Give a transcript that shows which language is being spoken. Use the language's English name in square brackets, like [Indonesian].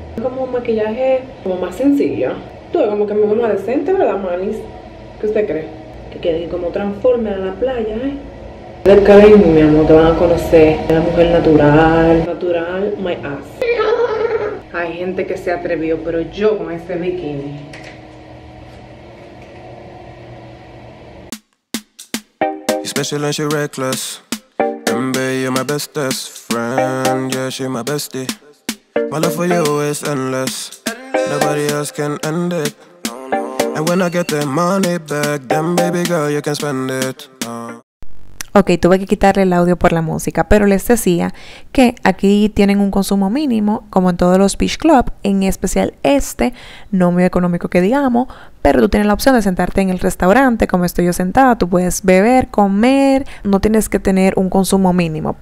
[Spanish] Es como un maquillaje como más sencillo. Todo como que me veo más decente, ¿verdad, manis? ¿Qué usted cree? Que quede como transforme a la playa, ¿eh? Del cariño, mi amor, te van a conocer. La mujer natural. Natural, [English] my ass. [Spanish] Hay gente que se atrevió, pero yo con este bikini. [English] Special and she reckless. MB, you're my bestest friend. Yeah, she my bestie. My love for you is endless. Nobody else can end it. And when I get the money back, then baby girl, you can spend it. [Spanish] Ok, tuve que quitarle el audio por la música, pero les decía que aquí tienen un consumo mínimo, como en todos los beach club, en especial este, no muy económico que digamos, pero tú tienes la opción de sentarte en el restaurante, como estoy yo sentada, tú puedes beber, comer, no tienes que tener un consumo mínimo.